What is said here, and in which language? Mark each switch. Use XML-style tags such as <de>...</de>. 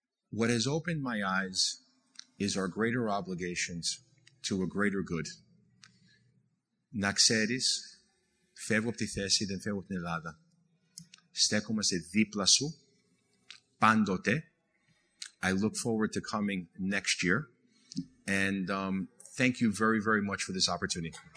<en>What has opened my eyes is our greater obligations to a greater good.</en> <el>Να ξέρεις, φεύγω από τη θέση, δεν φεύγω από την Ελλάδα. Στέκομαστε δίπλα σου, πάντοτε.</el> <en>I look forward to coming next year. And thank you very, very much for this opportunity.</en>